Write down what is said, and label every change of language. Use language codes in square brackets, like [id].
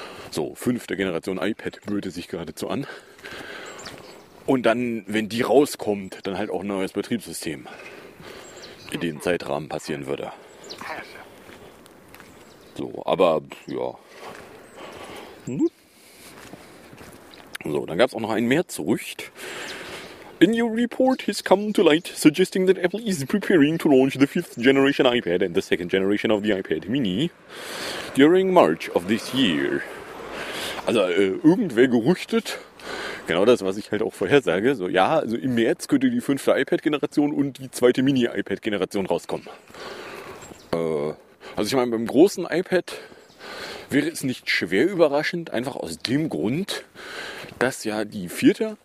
[de] So, fünfte Generation iPad böte sich geradezu an. Und dann, wenn die rauskommt, dann halt auch ein neues Betriebssystem in den Zeitrahmen passieren würde. So, aber, ja. So, dann gab es auch noch ein Mehrzurücht. [en] A new report has come to light, suggesting that Apple is preparing to launch the 5th generation iPad and the 2nd generation of the iPad Mini during March of this year. [de] Also, irgendwer gerüchtet, genau das, was ich halt auch vorhersage, so, ja, also im März könnte die 5. iPad-Generation und die 2. Mini-iPad-Generation rauskommen. Also ich meine, beim großen iPad wäre es nicht schwer überraschend, einfach aus dem Grund, dass ja die 4.